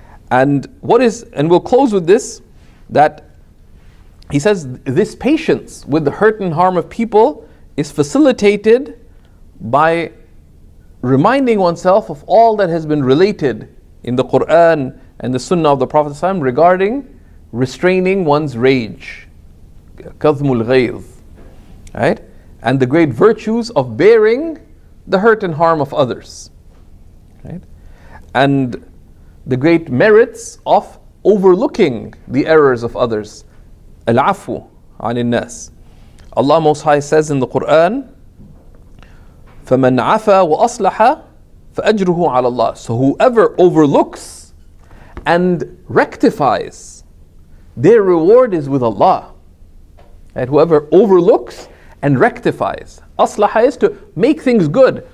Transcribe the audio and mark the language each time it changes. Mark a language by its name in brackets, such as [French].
[English] And we'll close with this, that he says, this patience with the hurt and harm of people is facilitated by reminding oneself of all that has been related in the Quran and the Sunnah of the Prophet ﷺ regarding restraining one's rage. Kadhmul ghayz, right? And the great virtues of bearing the hurt and harm of others, right? And the great merits of overlooking the errors of others. [Arabic] Al-afu عن الناس. [English] Allah Most High says in the Quran, [Arabic] فَمَنْ عَفَى وَأَصْلَحَ فَأَجْرُهُ عَلَى اللَّهِ. [English] So whoever overlooks and rectifies, their reward is with Allah. And whoever overlooks and rectifies. Aslaha is to make things good.